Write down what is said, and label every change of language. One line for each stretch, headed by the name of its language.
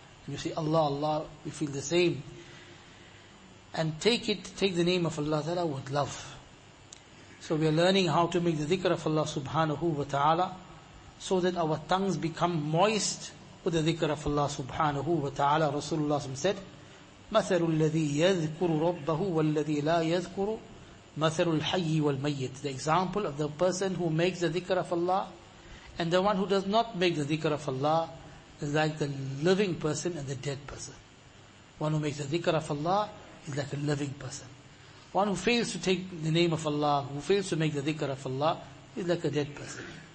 English: And you say Allah, Allah, we feel the same. And take it, take the name of Allah Ta'ala with love. So we are learning how to make the dhikr of Allah subhanahu wa ta'ala so that our tongues become moist with the dhikr of Allah subhanahu wa ta'ala. Rasulullah said,
Arabic: مَثَلُ الَّذِي يَذْكُرُ رَبَّهُ وَالَّذِي لَا يَذْكُرُ مَثَلُ الْحَيِّ وَالْمَيِّتِ.
English: The example of the person who makes the dhikr of Allah and the one who does not make the dhikr of Allah is like the living person and the dead person. One who makes the dhikr of Allah is like a living person. One who fails to take the name of Allah, who fails to make the dhikr of Allah, is like a dead person.